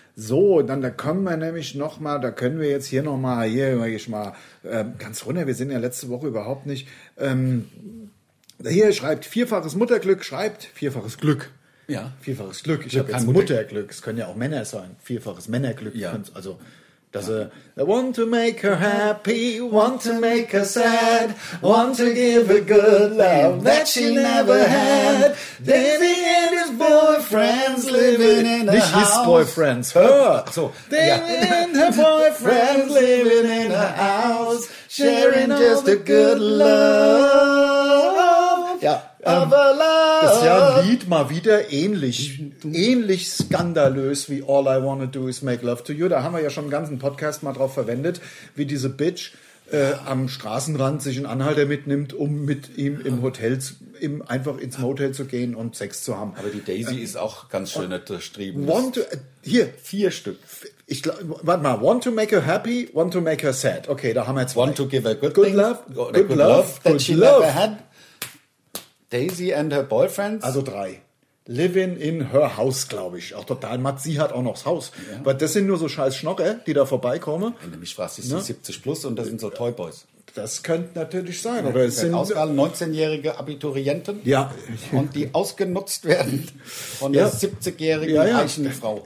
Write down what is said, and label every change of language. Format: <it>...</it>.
<de>So, dann da kommen wir nämlich nochmal, da können wir jetzt hier nochmal, ganz runter, wir sind ja letzte Woche überhaupt nicht. Hier schreibt, vierfaches Glück. Ja. Vierfaches Glück, ich habe jetzt Mutterglück, es können ja auch Männer sein, vierfaches Männerglück. Ja. Also Dass er,</de> <en>I want to make her happy, want to make her sad, want to give her good love that she never had. Daisy and his boyfriends living in a</en> <de>nicht</de> <en>house.</en> <de>Nicht</de> <en>his boyfriends, her.</en> <de>So, Daisy ja.</de> <en>And her boyfriends living in a house, sharing just a good love.</en> <de>Ja. Das ist ja ein Lied mal wieder ähnlich, ähnlich skandalös wie All I Wanna Do Is Make Love To You. Da haben wir ja schon einen ganzen Podcast mal drauf verwendet, wie diese Bitch am Straßenrand sich einen Anhalter mitnimmt, um mit ihm im Hotel zu, im, einfach ins Motel zu gehen und Sex zu haben. Aber die Daisy ist auch ganz schön unterstrieben. Hier, vier Stück. Ich glaube, warte mal,</de> <en>want to make her happy, want to make her sad.</en> <de>Okay, da haben wir jetzt</de> <en>want</en> <de>zwei.</de> <en>To give her good, good love, good love, that good she love. Never had. Daisy and her boyfriends?</en> <de>Also drei.</de> <en>Living in her house,</en> <de>glaube ich. Auch total matt. Sie hat auch noch das Haus. Ja. Weil das sind nur so scheiß Schnocke, die da vorbeikommen. Wenn du mich fragst, die sind ja 70 plus und das sind so Toyboys. Das könnte natürlich sein. Oder es sind auch 19-jährige Abiturienten. Ja. Und die ausgenutzt werden von der 70-jährigen reichen Frau.</de>